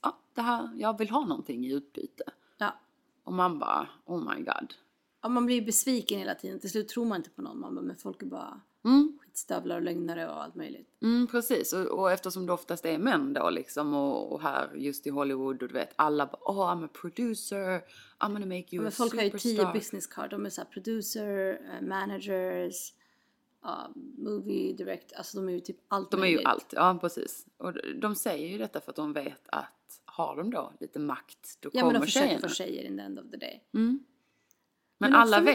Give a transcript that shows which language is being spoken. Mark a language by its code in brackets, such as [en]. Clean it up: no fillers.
[sv] Ja, det här, jag vill ha någonting i utbyte. Ja. Och man bara, [en] oh my god. [sv] Ja, man blir besviken hela tiden. Till slut tror man inte på någon. Man bara, men folk är bara skitstövlar och lögnare och allt möjligt. Mm, precis. Och eftersom det oftast är män då liksom. Och här just i Hollywood och du vet. Alla bara, [en] oh, I'm a producer. I'm gonna make you a superstar. [sv] Folk har ju 10 business card. De är så här producer, managers, movie director. Alltså de är ju typ allt möjligt. De är ju allt, ja precis. Och de säger ju detta för att de vet att har de då lite makt, då kommer tjejerna. Ja, men de försöker få tjejer [en] in the end of the day. [sv] Mm. Men alla vet.